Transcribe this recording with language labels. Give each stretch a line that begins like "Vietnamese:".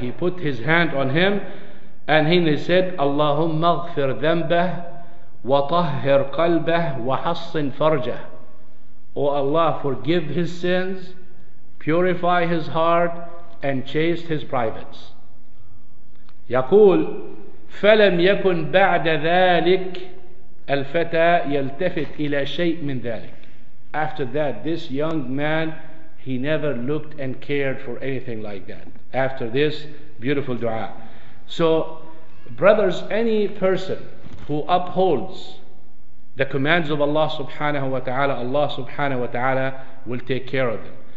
English: He put his hand on him, and he said,
Arabic: اللهم اغفر ذنبه وطهر قلبه وحصن فرجه.
English: O Allah, forgive his sins, purify his heart, and chaste his privates.
Arabic: يقول فلم يكن بعد ذلك الفتى يلتفت إلى شيء من ذلك.
English: After that, this young man, he never looked and cared for anything like that. After this beautiful dua. So, brothers, any person who upholds the commands of Allah subhanahu wa ta'ala, Allah subhanahu wa ta'ala will take care of them.